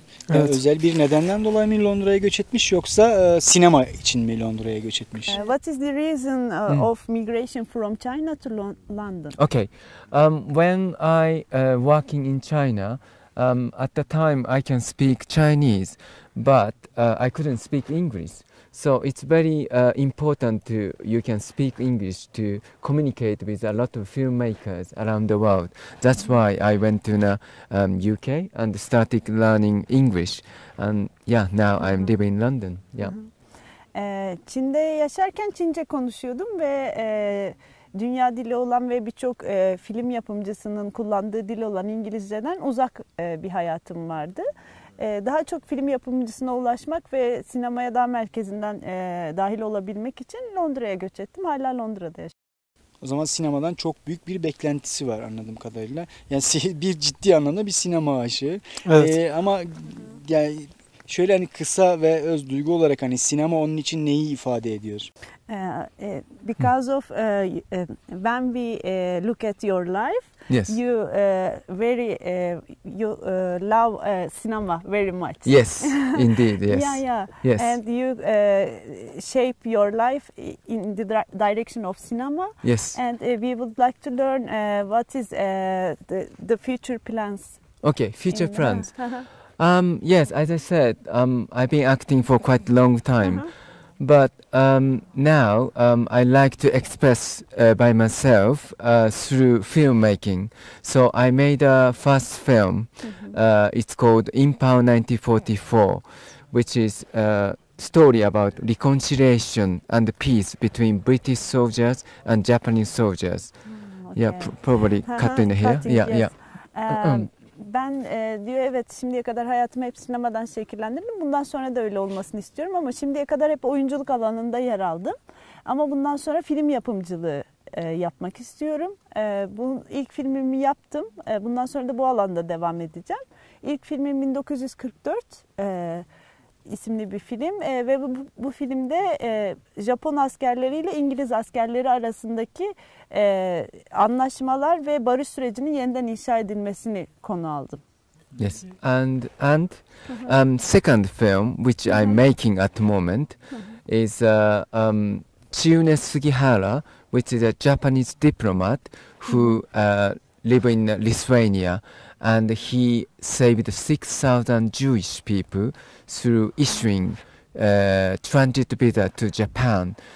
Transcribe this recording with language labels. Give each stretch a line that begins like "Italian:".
Turkish: Evet. Özel bir nedenden dolayı mı Londra'ya göç etmiş yoksa sinema için mi Londra'ya göç etmiş?
English: What is the reason of migration from China to London? Okay, when I working in China, at the time I can speak Chinese, but I couldn't speak English. So it's very important to you can speak English to communicate with a lot of filmmakers around the world. That's why I went to the UK and started learning English. And yeah, now I'm living in London. Yeah.
Turkish: Çin'de yaşarken Çince konuşuyordum ve dünya dili olan ve birçok film yapımcısının kullandığı dil olan İngilizceden uzak bir hayatım vardı. Daha çok film yapımcısına ulaşmak ve sinemaya daha merkezinden dahil olabilmek için Londra'ya göç ettim. Hala Londra'da yaşıyorum. O zaman sinemadan çok büyük bir beklentisi var anladığım kadarıyla. Yani bir ciddi anlamda bir sinema aşığı. Evet. Ama yani şöyle hani kısa ve öz duygu olarak hani sinema onun için neyi ifade ediyor?
English: Because of when we look at your life, yes, you very you love cinema very much. Yes, indeed. Yes. Yeah, yeah. Yes. And you shape your life in the direction of cinema. Yes. And we would like to learn what is the future plans. Okay, future plans. yes, as I said, I've been acting for quite a long time. But now I like to express by myself through filmmaking. So I made a first film. It's called Impound 1944, which is a story about reconciliation and peace between British soldiers and Japanese soldiers. Okay. Yeah, probably cutting the hair. Cutting, yeah, yes. Yeah.
Turkish: Ben diyor evet şimdiye kadar hayatımı hep sinemadan şekillendirdim. Bundan sonra da öyle olmasını istiyorum ama şimdiye kadar hep oyunculuk alanında yer aldım. Ama bundan sonra film yapımcılığı yapmak istiyorum. Bu ilk filmimi yaptım. Bundan sonra da bu alanda devam edeceğim. İlk filmim 1944 isimli bir film. Ve bu filmde Japon askerleriyle İngiliz askerleri arasındaki anlaşmalar ve barış sürecinin yeniden inşa edilmesini konu aldım.
English: Yes, and second film which I'm making at the moment is Chiune Sugihara, which is a Japanese diplomat who live in Lithuania, and he saved 6,000 Jewish people through issuing transit visa to Japan.